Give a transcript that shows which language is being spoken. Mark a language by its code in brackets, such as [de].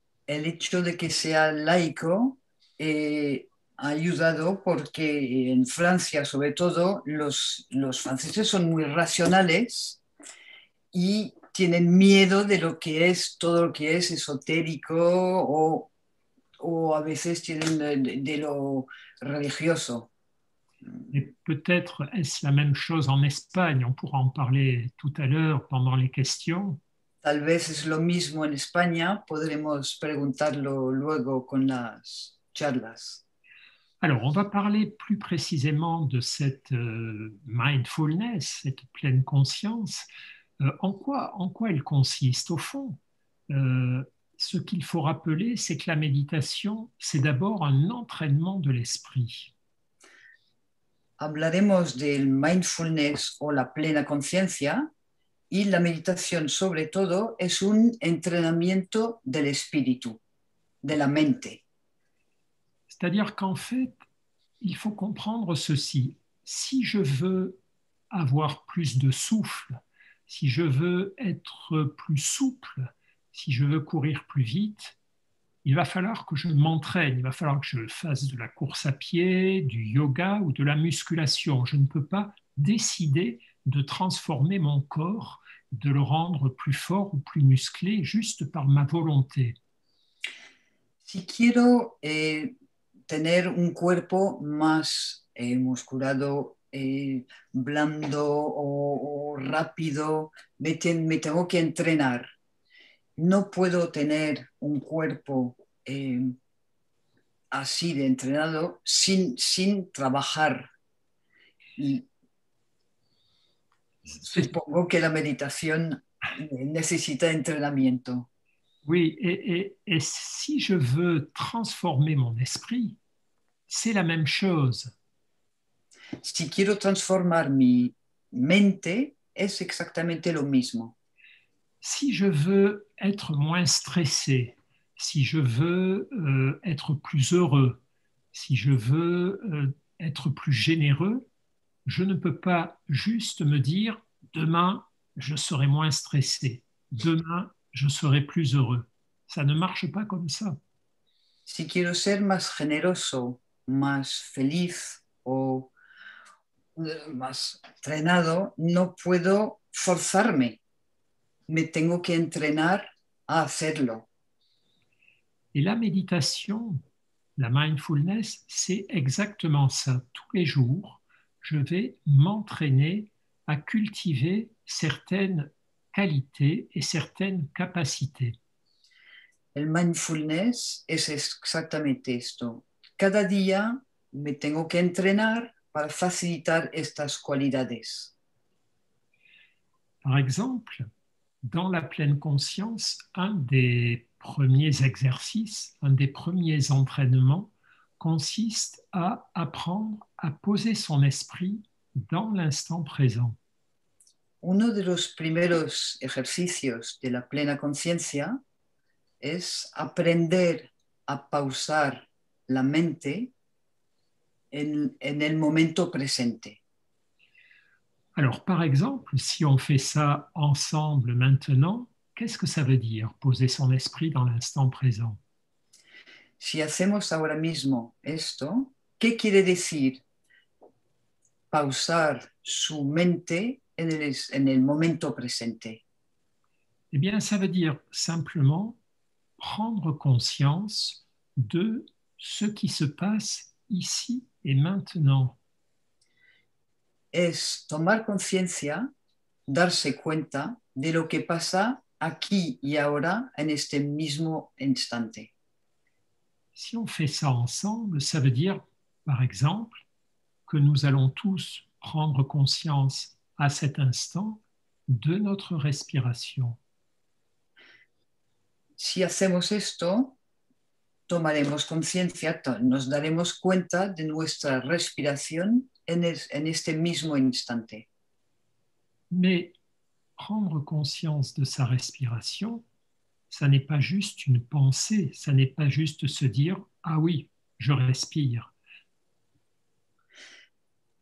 [es] el hecho de que sea laico ha ayudado porque en Francia, sobre todo, los franceses son muy racionales y tienen miedo de lo que es todo lo que es esotérico o a veces tienen de lo religioso. [fr] Et peut-être est-ce la même chose en Espagne, on pourra en parler tout à l'heure pendant les questions. [es] Tal vez es lo mismo en España, podremos preguntarlo luego con las charlas. [fr] Alors, on va parler plus précisément de cette mindfulness, cette pleine conscience. En quoi elle consiste au fond? Ce qu'il faut rappeler, c'est que la méditation, c'est d'abord un entraînement de l'esprit. [es] Hablaremos del mindfulness o la plena conciencia y la meditación, sobre todo, es un entrenamiento del espíritu, de la mente. [fr] C'est-à-dire qu'en fait, il faut comprendre ceci. Si je veux avoir plus de souffle, si je veux être plus souple, si je veux courir plus vite, il va falloir que je m'entraîne, il va falloir que je fasse de la course à pied, du yoga ou de la musculation. Je ne peux pas décider de transformer mon corps, de le rendre plus fort ou plus musclé juste par ma volonté. [es] Si quiero tener un cuerpo más musculado, blando o rápido, me tengo que entrenar. No puedo tener un cuerpo así de entrenado sin trabajar. Y supongo que la meditación necesita entrenamiento. [fr] Oui, et si je veux transformer mon esprit, c'est la même chose. [es] Si quiero transformar mi mente, es exactamente lo mismo. [fr] Si je veux être moins stressé, si je veux être plus heureux, si je veux être plus généreux, je ne peux pas juste me dire « demain, je serai moins stressé, demain, je serai plus heureux ». Ça ne marche pas comme ça. [es] Si quiero ser más generoso, más feliz o más entrenado, no puedo forzarme. Me tengo que entrenar a hacerlo. [fr] Et la méditation, la mindfulness, c'est exactement ça. Tous les jours, je vais m'entraîner à cultiver certaines qualités et certaines capacités. [es] El mindfulness es exactamente esto. Cada día me tengo que entrenar para facilitar estas cualidades. [fr] Par exemple, dans la pleine conscience, un des premiers exercices, un des premiers entraînements consiste à apprendre à poser son esprit dans l'instant présent. [es] Uno de los primeros ejercicios de la plena conciencia es aprender a pausar la mente en el momento presente. [fr] Alors, par exemple, si on fait ça ensemble maintenant, qu'est-ce que ça veut dire, poser son esprit dans l'instant présent? [es] Si hacemos ahora mismo esto, ¿qué quiere decir pausar su mente en el momento presente? [fr] Eh bien, ça veut dire simplement prendre conscience de ce qui se passe ici et maintenant. [es] Es tomar conciencia, darse cuenta de lo que pasa aquí y ahora en este mismo instante. [fr] Si on fait ça ensemble, ça veut dire, par exemple, que nous allons tous prendre conscience à cet instant de notre respiration. [es] Si hacemos esto, tomaremos conciencia, nos daremos cuenta de nuestra respiración en este mismo instante. [fr] Mais prendre conscience de sa respiration, ça n'est pas juste une pensée, ça n'est pas juste se dire « Ah oui, je respire ».